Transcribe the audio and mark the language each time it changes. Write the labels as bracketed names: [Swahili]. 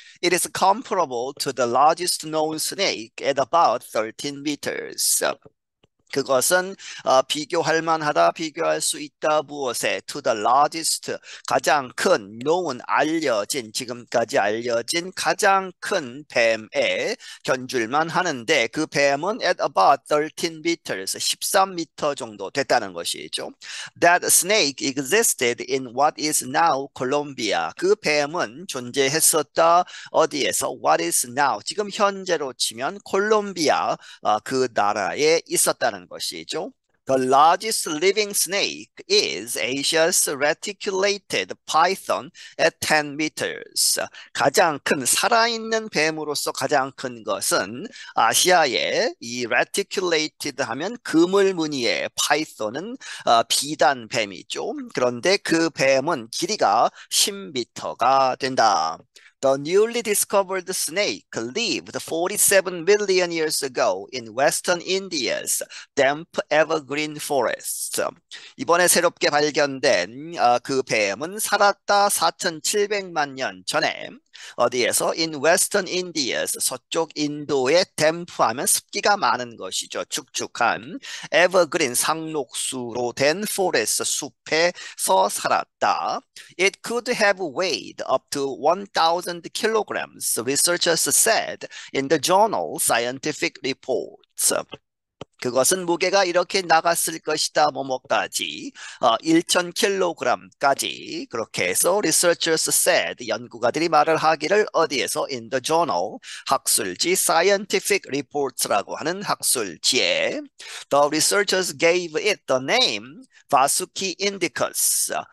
[English] It is comparable to the largest known snake at about 13 meters. [Korean] 그것은 비교할 만하다, 비교할 수 있다, 무엇에? To the largest, 가장 큰, known, 알려진, 지금까지 알려진 가장 큰 뱀에 견줄 만하는데 그 뱀은 at about 13 meters, 13m 정도 됐다는 것이죠. [English] That snake existed in what is now Colombia. [Korean] 그 뱀은 존재했었다, 어디에서? [English] What is now? [Korean] 지금 현재로 치면 콜롬비아, 그 나라에 있었다는 것. [English] The largest living snake is Asia's reticulated python at 10 meters. [Korean] 가장 큰 살아있는 뱀으로서 가장 큰 것은 아시아의 이 reticulated 하면 그물무늬의 파이톤은 비단 뱀이죠. 그런데 그 뱀은 길이가 10미터가 된다. [English] The newly discovered snake lived 47 million years ago in western India's damp evergreen forests. [Korean] 이번에 새롭게 발견된 그 뱀은 살았다 4,700만 년 전에 어디에서? In western India's 서쪽 인도의 damp하면 습기가 많은 것이죠. 축축한 evergreen 상록수로 된 forest 숲에서 살았다. [English] It could have weighed up to 1,000 kilograms, researchers said in the journal Scientific Reports. [Korean] 그것은 무게가 이렇게 나갔을 것이다, 뭐뭐까지, 1000kg까지. 그렇게 해서 researchers said, 연구가들이 말을 하기를 어디에서? In the journal, 학술지, Scientific Reports라고 하는 학술지에, [English] The researchers gave it the name Vasuki Indicus.